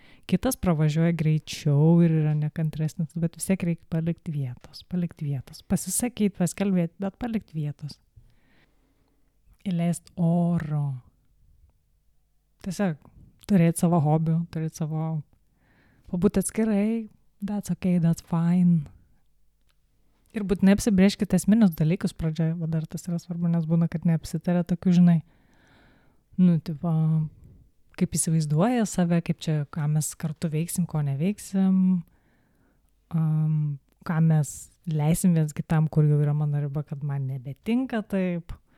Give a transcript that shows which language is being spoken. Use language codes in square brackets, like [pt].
[lt] Kitas pravažiuoja greičiau ir yra nekantresnis, bet vis tiek reikia palikti vietos. Pasisakyti, paskelbėti, bet palikti vietos. Įleisti oro. Tiesiog turėti savo hobių, turėti savo... Pabūti atskirai, [en] that's okay, that's fine. [lt] Ir būtinai apsibrėžkite esminius dalykus pradžioje, va dar tas yra svarbu, nes būna, kad neapsitaria tokių, žinai, nu, tipo... kaip įsivaizduoja save, kaip čia, ką mes kartu veiksim, ko neveiksim, ką mes leisim viens kitam, kur jau yra mano riba, kad man nebetinka taip.